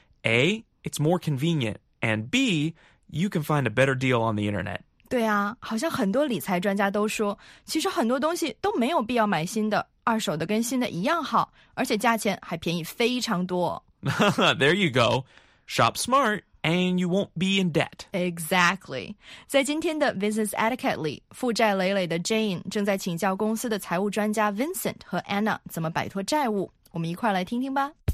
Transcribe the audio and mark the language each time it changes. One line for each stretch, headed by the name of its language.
English: A, it's more convenient, and B,You can find a better deal on the internet.
Chinese: 对啊，好像很多理财专家都说，其实很多东西都没有必要买新的，二手的跟新的一样好，而且价钱还便宜非常多。
English: There you go. Shop smart, and you won't be in debt. Exactly.
Chinese: 在今天的 Business Etiquette 里，负债累累的 Jane 正在请教公司的财务专家 Vincent 和 Anna 怎么摆脱债务。我们一块来听听吧。